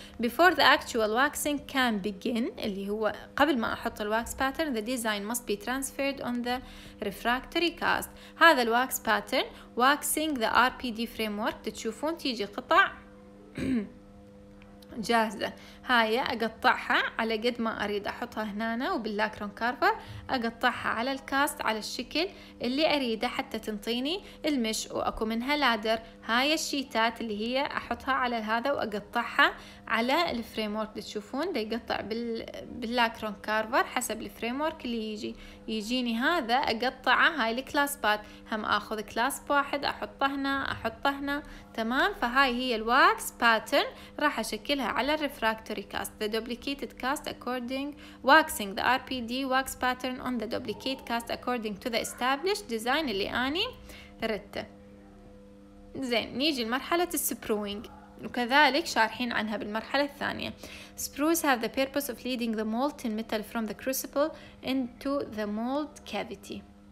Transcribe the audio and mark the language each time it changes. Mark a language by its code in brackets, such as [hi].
[en] Before the actual waxing can begin، [ar] اللي هو قبل ما احط الواكس باترن، [en] the design must be transferred on the refractory cast. [ar] هذا الواكس باترن [en] waxing the RPD framework. [ar] تشوفون تيجي قطع جاهزة، هاي أقطعها على قد ما أريد، أحطها هنا وباللاكرون كارفر أقطعها على الكاست على الشكل اللي أريده حتى تنطيني المش، وأكو منها لادر. هاي الشيتات اللي هي أحطها على هذا وأقطعها على الفريمورك. تشوفون دي يقطع باللاكرون كارفر حسب الفريمورك اللي يجي. يجيني هذا أقطعه، هاي الكلاس بات، هم أخذ كلاس واحد أحطه هنا أحطه هنا، تمام. فهاي هي الواكس باترن، راح أشكلها على الرفراكتوري كاست. [en] The duplicated cast according waxing the RPD wax pattern on the duplicate cast according to the established design [ar] اللي أني ردته. زين، نيجي لمرحلة السبروينج، وكذلك شارحين عنها بالمرحلة الثانية. [en] Sprues have the purpose of leading the molten metal from the crucible into the mold cavity.